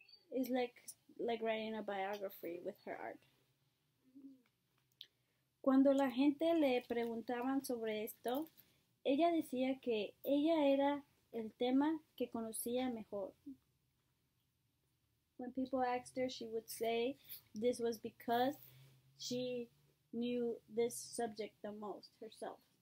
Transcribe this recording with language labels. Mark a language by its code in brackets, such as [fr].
[en] It's like writing a biography with her art. [es] Cuando la gente le preguntaban sobre esto, ella decía que ella era el tema que conocía mejor. [en] When people asked her, she would say this was because she knew this subject the most herself.